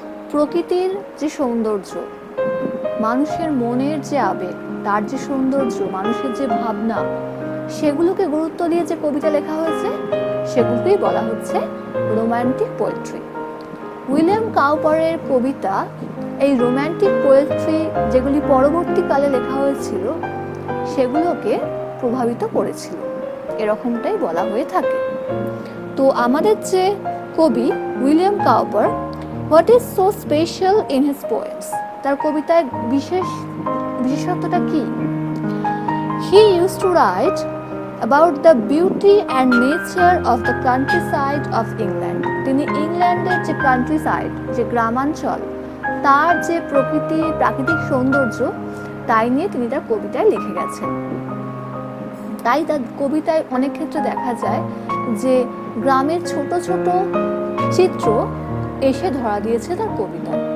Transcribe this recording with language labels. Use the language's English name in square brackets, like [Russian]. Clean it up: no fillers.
[Bangla] প্রকৃতির যে সৌন্দর্য, মানুষের মনের যে আবেগ, তার যে সৌন্দর্য, মানুষের যে ভাবনা, সেগুলোকে গুরুত্ব দিয়ে যে কবিতা লেখা হয়েছে, সেগুলোকেই বলা হচ্ছে রোমান্টিক পোয়েট্রি। উইলিয়াম কাউপারের কবিতা, এই রোমান্টিক পোয়েট্রি যেগুলি পরবর্তীকালে লেখা হয়েছিল, সেগুলোকে প্রভাবিত করেছিল, এরকমটাই বলা হয়ে থাকে। তো আমাদের যে কবি [English] William Cowper, What is so special in his poems? [Bangla] তার কবিতায় বিশেষত্বটা কি? [English] He used to write about the beauty and nature of the countryside of England. [Bangla] তিনি ইংল্যান্ডের যে কান্ট্রিসাইড, যে গ্রামাঞ্চল, তার যে প্রকৃতি, প্রাকৃতিক সৌন্দর্য, তাই নিয়ে তিনি তার কবিতায় লিখে গেছেন। তাই তার কবিতায় অনেক ক্ষেত্রে দেখা যায় যে গ্রামের ছোট ছোট চিত্র এসে ধরা দিয়েছে তার কবিতা।